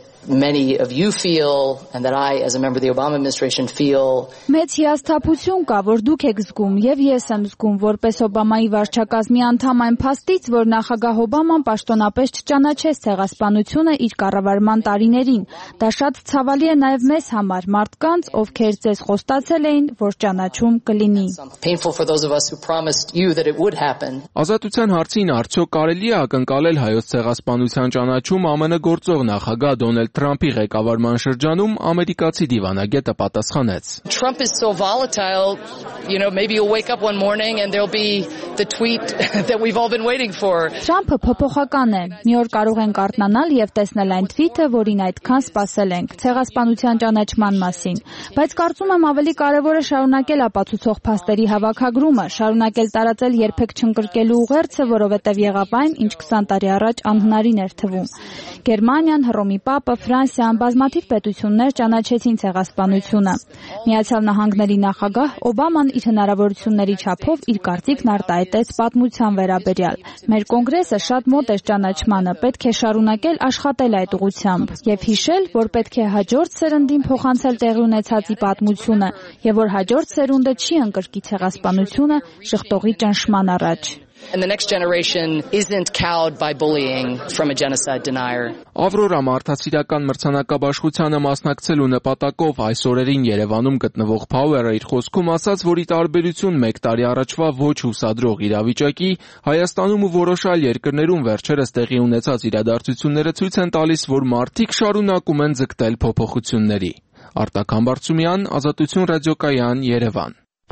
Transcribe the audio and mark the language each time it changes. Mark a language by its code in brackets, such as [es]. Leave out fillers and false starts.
[en] Many of you feel and that I as a member of the Obama administration feel [hy] Մեծ հիասթափություն կա, որ դուք եք զգում եւ ես եմ զգում, որպես Օբամայի վարչակազմի անդամ այն փաստից, որ նախագահ Օբաման պաշտոնապես չճանաչեց ցեղասպանությունը իր կառավարման տարիներին։ Դա շատ ցավալի է նաեւ մեզ համար, մարդկանց, ովքեր ձեզ խոստացել էին, որ ճանաչում կլինի։ Ազատության հարցին արդյոք կարելի է ակնկալել հայոց ցեղասպանության ճանաչում ԱՄՆ գործող նախագահ Դոնալդ Թրամփի ղեկավարման շրջանում ամերիկացի դիվանագետը պատասխանեց. [en] Trump is so volatile, you know, maybe you'll wake up one morning and there'll be the tweet that we've all been waiting for. [hy] Trump-ը փոփոխական է։ Մի օր կարող ենք առնանալ եւ տեսնել այն թվիթը, որին այդքան սպասել ենք ցեղասպանության ճանաչման մասին, բայց կարծում եմ ավելի կարևորը շարունակել ապացուցող փաստերի հավաքագրումը, շարունակել տարածել երբեք չընկրկելու ուղերձը, որովհետեւ եղավ այն, ինչ 20 տարի առաջ անհնարին էր թվում։ Գերմանիան, Հռոմի Պապը, Ֆրանսիան, բազմաթիվ պետություններ ճանաչեցին ցեղասպանությունը։ Միացյալ Նահանգների նախագահ Օբաման իր հնարավորությունների չափով իր կարծիքն արտահայտեց պատմության վերաբերյալ։ Մեր կոնգրեսը շատ մոտ է ճանաչմանը, պետք է շարունակել աշխատել այդ ուղությամբ եւ հիշել, որ պետք է հաջորդ սերնդին փոխանցել տեղի ունեցածի պատմությունը եւ որ հաջորդ սերունդը չի ընկրկի ցեղասպանությունը շխտողի ճնշման առաջ։ [en] And the next generation isn't cowed by bullying from a genocide denier. [hy] Ավրորա մարդասիրական մրցանակաբաշխությանը մասնակցելու նպատակով այսօրերին Երևանում գտնվող Փաուերը իր խոսքում ասաց, որ ի տարբերություն 1 տարի առաջվա ոչ հուսադրող իրավիճակի, Հայաստանում ու որոշալ երկրներում վերջերս տեղի ունեցած իրադարձությունները ցույց են տալիս, որ մարդիկ շարունակում են ձգտել փոփոխությունների։ Արտակ Համբարձումյան, Ազատություն ռադիոկայան, Երևան։